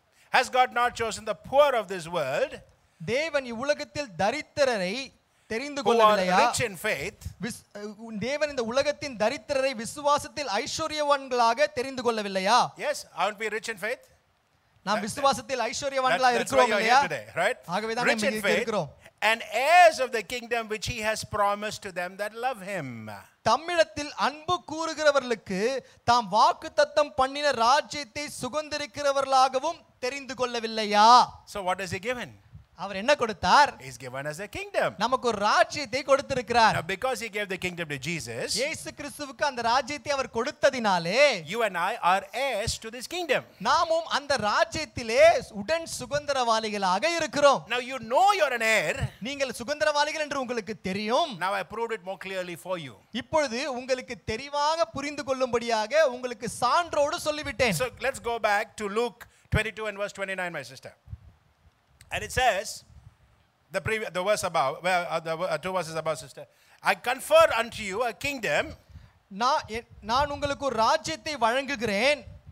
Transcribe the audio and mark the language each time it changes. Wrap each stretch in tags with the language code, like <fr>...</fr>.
<en>has not God chosen the poor of this world,</en> <ta>தேவன் இவ்வுலகத்தில் தரித்திரரை தெரிந்து கொள்ளவில்லையா?</ta> <en>Rich in faith,</en> <ta>தேவன் இந்த உலகத்தின் தரித்திரரை விசுவாசத்தில் ஐஸ்வர்யவான்களாக தெரிந்து கொள்ளவில்லையா?</ta> <en>Yes, I won't be rich in faith.</en> <ta>நாம் விசுவாசத்தில் ஐஸ்வர்யவான்களாக இருக்கிறோம் இல்லையா?</ta> <en>Right,</en> <ta>ஆகவே தான் நாம் இருக்கிறோம்.</ta> <en>And heirs of the kingdom which he has promised to them that love him.</en> <ta>தம்மிடத்தில் அன்பு கூறுகிறவர்களுக்கு தாம் வாக்குத்தத்தம் பண்ணின ராஜ்யத்தை சுகந்திருக்கிறவர்களாகவும் தெரிந்து கொள்ளவில்லையா?</ta> <en>So what has he given?</en> <ta>அவர் என்ன கொடுத்தார்?</ta> <en>He's given us a kingdom.</en> <ta>நமக்கு ஒரு ராஜ்யத்தை கொடுத்திருக்கிறார்.</ta> <en>Now because he gave the kingdom to Jesus,</en> <ta>இயேசு கிறிஸ்துவுக்கு அந்த ராஜ்யத்தை அவர் கொடுத்ததினாலே,</ta> <en>you and I are heirs to this kingdom.</en> <ta>நாமும் அந்த ராஜ்யத்திலே உடன் சுகந்தரவாளிகளாக இருக்கிறோம்.</ta> <en>Now you know you're an heir.</en> <ta>நீங்கள் சுகந்தரவாளிகள் என்று உங்களுக்கு தெரியும்.</ta> <en>Now I proved it more clearly for you.</en> <ta>இப்பொழுது உங்களுக்கு தெளிவாக புரிந்து கொள்ளும்படியாக உங்களுக்கு சான்றோடு சொல்லிவிட்டேன்.</ta> <en>So let's go back to Luke 22 and verse 29, my sister. And it says, the two verses above, sister, I confer unto you a kingdom.</en> <ta>நான் உங்களுக்கு ஒரு ராஜ்யத்தை வழங்குகிறேன்.</ta>